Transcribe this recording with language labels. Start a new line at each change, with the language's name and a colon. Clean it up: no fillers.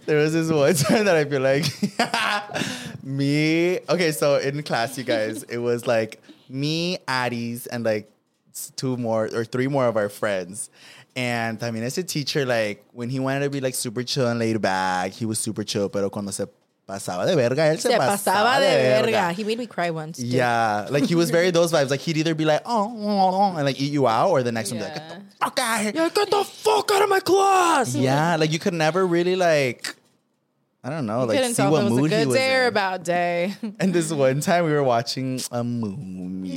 English: There was this one time that I feel like me. Okay, so in class, you guys, it was like me, Addie's, and like two more or three more of our friends. And I mean, as a teacher, like when he wanted to be like super chill and laid back, he was super chill.
Spanish: Pero cuando se pasaba de verga, él se pasaba de verga.
English: He made me cry once too. Yeah, like he was very those vibes. Like he'd either be like, oh, and like eat you out, or the next one be like, get the fuck out of here. Yeah, get the fuck out of my class. Yeah, like you could never really like, I don't know, you like see what mood he was in. It was a good day or a bad day. And this one time we were watching a mumia.